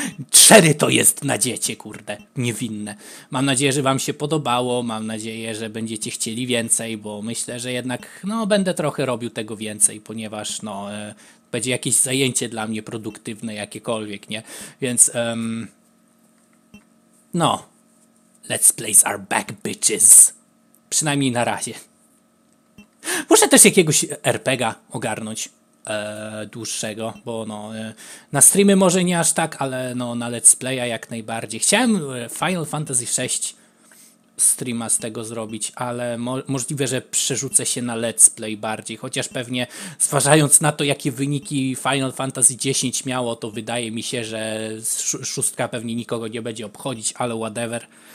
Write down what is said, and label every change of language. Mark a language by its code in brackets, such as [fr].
[pl] Cztery to jest nadziecie, kurde. Niewinne. Mam nadzieję, że wam się podobało. Mam nadzieję, że będziecie chcieli więcej, bo myślę, że jednak no, będę trochę robił tego więcej, ponieważ no, będzie jakieś zajęcie dla mnie produktywne, jakiekolwiek, nie? Więc... no. [en] Let's plays are back, bitches. [pl] Przynajmniej na razie. Muszę też jakiegoś RPGa ogarnąć dłuższego, bo no, na streamy może nie aż tak, ale no, na Let's Play'a jak najbardziej. Chciałem Final Fantasy VI streama z tego zrobić, ale możliwe, że przerzucę się na Let's Play bardziej, chociaż pewnie zważając na to, jakie wyniki Final Fantasy X miało, to wydaje mi się, że szóstka pewnie nikogo nie będzie obchodzić, ale whatever.